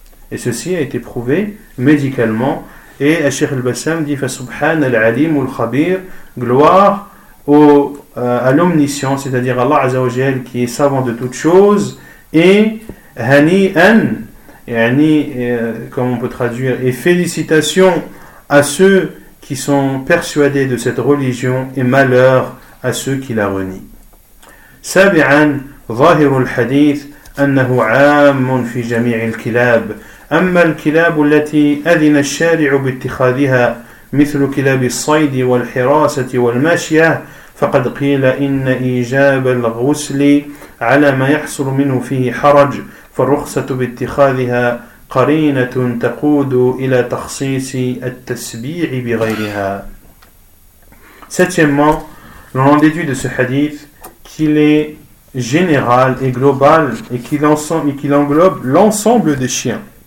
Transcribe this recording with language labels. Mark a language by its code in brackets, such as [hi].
[fr] Et ceci a été prouvé médicalement. Et Cheikh al-Bassam dit « [ar] Fa subhan al-alim ul-khabir [fr] » Gloire à l'omniscient, c'est-à-dire Allah Azza wa Jal qui est savant de toutes choses. Et « Hani an » comme on peut traduire, et félicitations à ceux qui sont persuadés de cette religion et malheur à ceux qui la renient. [ar] « Sabi'an zahir al-hadith » أنه عام في جميع الكلاب أما الكلاب التي أذن الشارع باتخاذها مثل كلاب الصيد والحراسة والماشية فقد قيل إن إيجاب الغسل على ما يحصل منه فيه حرج فالرخصة باتخاذها قرينة تقود إلى تخصيص التسبيع بغيرها. [fr] Septièmement, l'on en déduit de ce hadith qu'il est général et global et qu'il englobe l'ensemble des chiens.